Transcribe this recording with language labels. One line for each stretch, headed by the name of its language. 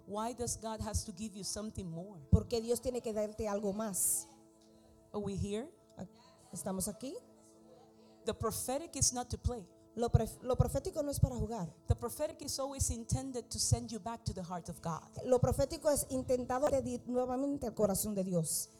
English: why does God has to give you something more?
Spanish: ¿Por qué Dios tiene que darte algo más?
English: Are we here?
Spanish: ¿Estamos aquí?
English: The prophetic is not to play.
Spanish: Lo profético no es para jugar.
English: The prophetic is always intended to send you back to the heart of God.
Spanish: Lo profético es intentado nuevamente al corazón de Dios.